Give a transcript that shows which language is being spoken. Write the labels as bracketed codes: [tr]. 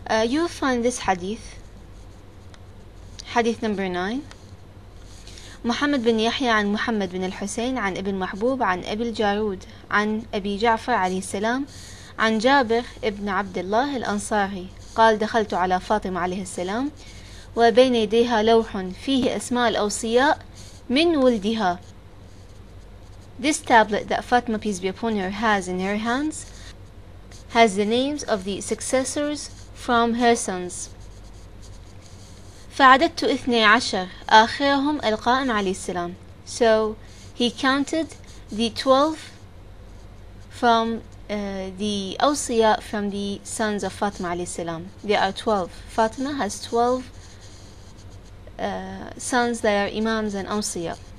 [en] You'll find this hadith, hadith number 9. [ar] Muhammad bin Yahya عن Muhammad bin Al-Hussein عن ابن محبوب عن أبي الجارود عن أبي جعفر عليه السلام عن جابر ابن عبد الله الأنصاري قال: دخلت على فاطمة عليه السلام وبين يديها لوح فيه أسماء الأوصياء من ولدها. [en] This tablet that Fatima, peace be upon her, has in her hands has the names of the successors from her sons. [ar] فعددت 12 آخرهم القائم عليه السلام. [en] So he counted the 12 from the awsiya, from the sons of Fatima [ar] عليه السلام. [en] There are 12. Fatima has 12 sons that are imams and awsiya.